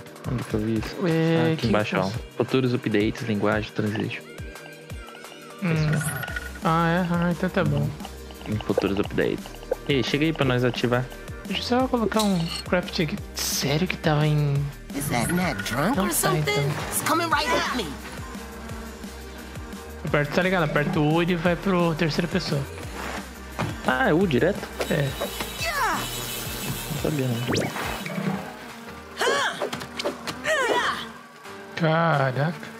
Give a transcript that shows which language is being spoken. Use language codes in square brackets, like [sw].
[pt] Onde que eu vi isso? É, ah, aqui embaixo, ó. Futuros updates, linguagem, transition. Ah, é? Ah, então tá bom. Em futuros updates. Ei, chega aí pra nós ativar. Deixa eu só colocar um craft aqui. Sério que tava em. [en] Is that Ned drunk or something? It's coming right at me! [pt] Aperto, tá ligado? Aperto o U e vai pro terceira pessoa. Ah, é U direto? É. Não sabia, não. Caraca.